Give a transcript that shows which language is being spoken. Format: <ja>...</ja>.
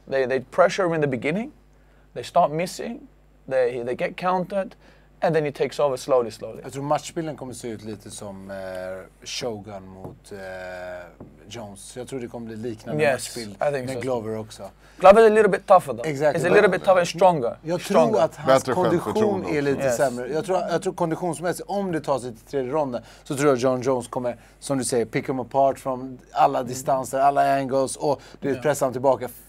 <en>They pressure him in the beginning, they start missing, they get countered, and then he takes over slowly, slowly.</en> <sv>Jag tror matchbilden kommer se ut lite som Shogun mot Jones. Jag tror det kommer bli liknande matchbild med Glover också.</sv> <en>Glover is a little bit tougher though. Exactly. He's a little bit tougher and stronger.</en> <sv>Jag tror att hans kondition är lite sämre. Jag tror konditionsmässigt, om det tar sig till tredje ronden, så tror jag John Jones kommer, som du säger,</sv> <en>pick him apart</en> <sv>från alla distanser, alla angles, och du pressar honom tillbaka.</sv>